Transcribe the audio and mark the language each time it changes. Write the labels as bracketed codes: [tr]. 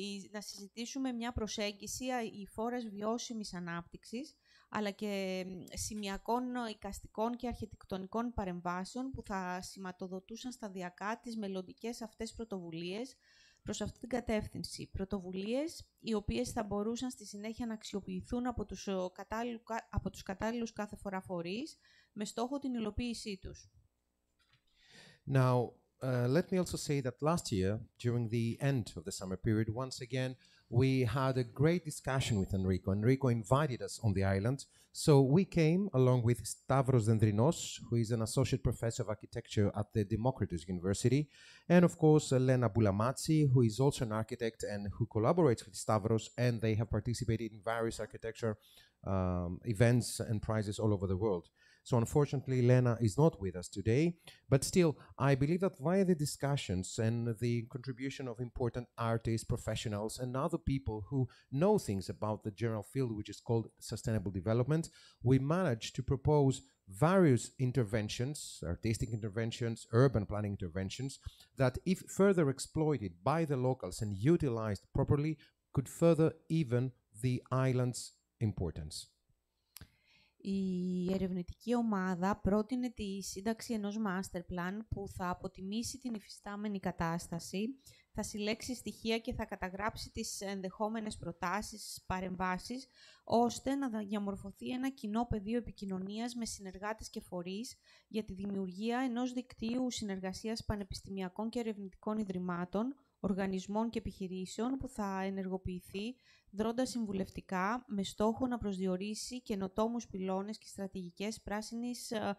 [el] να συζητήσουμε μια προσέγγιση η φόρας βιώσιμης ανάπτυξης, αλλά και σημειακών οικαστικών και αρχιτεκτονικών παρεμβάσεων που θα σηματοδοτούσαν σταδιακά τις μελλοντικές αυτές πρωτοβουλίες προς αυτή την κατεύθυνση. Πρωτοβουλίες οι οποίες θα μπορούσαν στη συνέχεια να αξιοποιηθούν από τους κατάλληλους κάθε φορά φορείς με στόχο την υλοποίησή τους. [en] Now, let me also say that last year, during the end of the summer period, once again, we had a great discussion with Enrico. Enrico invited us on the island. So we came along with Stavros Dendrinos, who is an associate professor of architecture at the Democritus University, and of course, Elena Bulamatsi, who is also an architect and who collaborates with Stavros, and they have participated in various architecture events and prizes all over the world. So unfortunately, Lena is not with us today. But still, I believe that via the discussions and the contribution of important artists, professionals, and other people who know things about the general field, which is called sustainable development, we managed to propose various interventions, artistic interventions, urban planning interventions, that if further exploited by the locals and utilized properly, could further even the island's importance. [el] Η ερευνητική ομάδα πρότεινε τη σύνταξη ενός master plan που θα αποτιμήσει την υφιστάμενη κατάσταση, θα συλλέξει στοιχεία και θα καταγράψει τις ενδεχόμενες προτάσεις, παρεμβάσεις, ώστε να διαμορφωθεί ένα κοινό πεδίο επικοινωνίας με συνεργάτες και φορείς για τη δημιουργία ενός δικτύου συνεργασίας πανεπιστημιακών και ερευνητικών ιδρυμάτων, οργανισμών και επιχειρήσεων που θα ενεργοποιηθεί δρώντας συμβουλευτικά με στόχο να προσδιορίσει καινοτόμους πυλώνες και στρατηγικές πράσινης